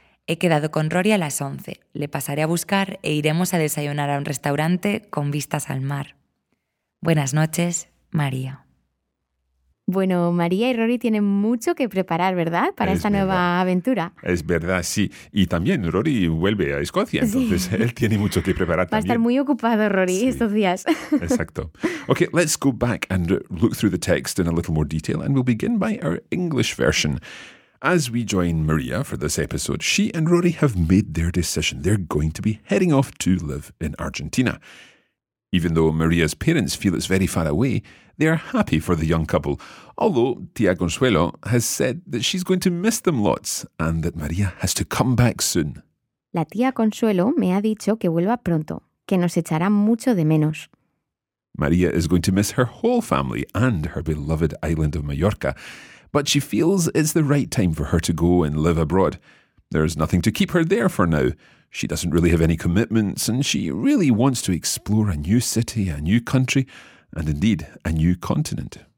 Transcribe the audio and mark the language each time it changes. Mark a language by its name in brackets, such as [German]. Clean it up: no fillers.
[Spanish] He quedado con Rory a las 11. Le pasaré a buscar e iremos a desayunar a un restaurante con vistas al mar. Buenas noches, María. Bueno, María y Rory tienen mucho que preparar, ¿verdad? Para esta nueva aventura. Es verdad, sí. Y también Rory vuelve a Escocia, entonces sí. Él tiene mucho que preparar también. Va a estar muy ocupado, Rory, sí. Estos días. Exacto. [English] Okay, let's go back and look through the text in a little more detail, and we'll begin by our English version. As we join Maria for this episode, she and Rory have made their decision. They're going to be heading off to live in Argentina. Even though Maria's parents feel it's very far away, they are happy for the young couple, although Tia Consuelo has said that she's going to miss them lots and that Maria has to come back soon. [Spanish] La tía Consuelo me ha dicho que vuelva pronto, que nos echará mucho de menos. [English] Maria is going to miss her whole family and her beloved island of Mallorca, but she feels it's the right time for her to go and live abroad. There's nothing to keep her there for now. She doesn't really have any commitments, and she really wants to explore a new city, a new country, and indeed, a new continent.